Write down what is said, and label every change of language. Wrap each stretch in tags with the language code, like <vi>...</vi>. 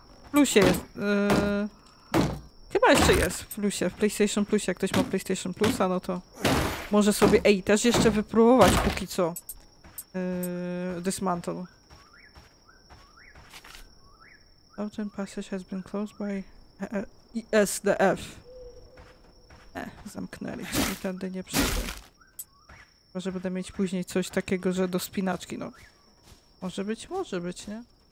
<pl>Plusie jest. Chyba chyba jeszcze jest w plusie, w PlayStation Plusie. Jak ktoś ma PlayStation Plusa, no to może sobie ej, też jeszcze wypróbować póki co.</pl> <en>Dismantle. Southern Passage has been closed by ESDF.</en> <pl>Zamknęli, czyli tędy nie przyjdę. Może będę mieć później coś takiego, że do spinaczki, no. Może być, nie?</pl>